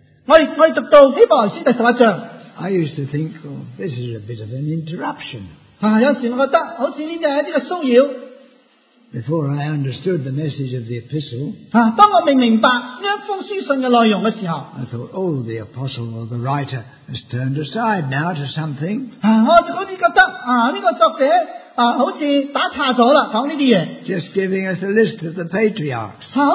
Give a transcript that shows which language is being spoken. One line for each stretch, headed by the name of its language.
Chinese: 我们读到希伯来书第十一章,
English: I used to think, oh, this is a bit of an interruption.
Chinese: 有时我觉得好像这是一些骚扰,
English: before I understood the message of the epistle,
Chinese: 当我明白这封书信的内容的时候,
English: I thought, oh, the apostle or the writer has turned aside now to something.
Chinese: 我就好像觉得这个作者, 好像打岔了,
English: just giving us a list of the patriarchs.